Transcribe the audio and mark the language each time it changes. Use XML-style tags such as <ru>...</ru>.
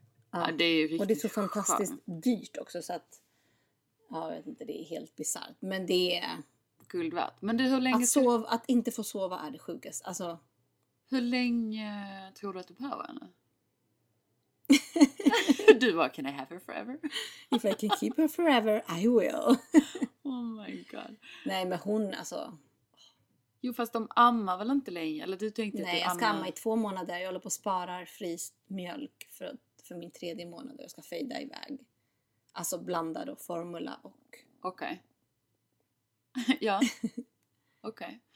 <sv>Ja, det är ju riktigt och det är så fantastiskt dyrt också, så att ja, jag vet inte, det är helt bizarrt, men det är guld värt. Men du, hur länge att inte få sova är det sjukast. Alltså, hur länge tror du att du behöver henne? Du bara,</sv> <en>can I have her forever? If I can keep her forever, I will. Oh my god.</en> <sv>Nej, men hon alltså. Jo, fast de ammar väl inte länge, eller du tänkte nej, att jag ska amma i 2 månader. Jag håller på att spara fryst mjölk för min 3:e månad och jag ska fejda iväg. Alltså blanda då formula och... Okej. Okay. Ja. Okej. Okay.</sv>